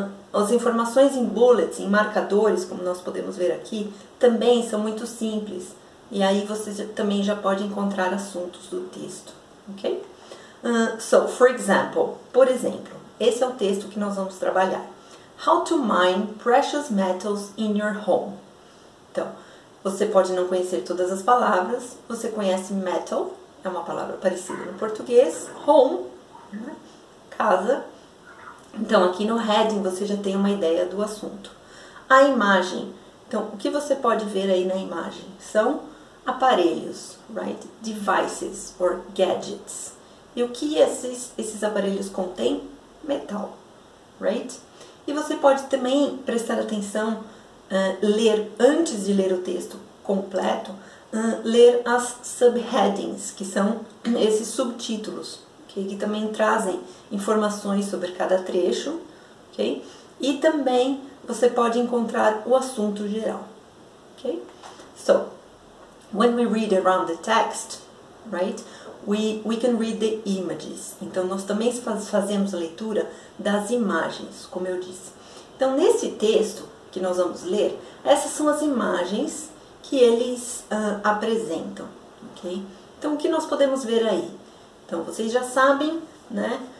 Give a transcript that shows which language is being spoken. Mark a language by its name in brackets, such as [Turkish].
[Portuguese] As informações em bullets, em marcadores, como nós podemos ver aqui, também são muito simples. E aí você também já pode encontrar assuntos do texto, ok? [English] So, for example. [Portuguese] Por exemplo, esse é o texto que nós vamos trabalhar. [English] How to mine precious metals in your home. [Portuguese] Então, você pode não conhecer todas as palavras. Você conhece metal, é uma palavra parecida no português. Home, casa. Então, aqui no heading você já tem uma ideia do assunto. A imagem. Então, o que você pode ver aí na imagem? São aparelhos, [English] right? Devices or gadgets. [Portuguese] E o que esses aparelhos contêm? Metal, right? E você pode também prestar atenção, ler antes de ler o texto completo, ler as subheadings, que são esses subtítulos, okay? Que também trazem informações sobre cada trecho, ok? E também você pode encontrar o assunto geral, ok? [English] So, when we read around the text, right, we can read the images. [Portuguese] Então, nós também fazemos a leitura das imagens, como eu disse. Então, nesse texto que nós vamos ler, essas são as imagens que eles apresentam, ok? Então, o que nós podemos ver aí? Então, vocês já sabem, né?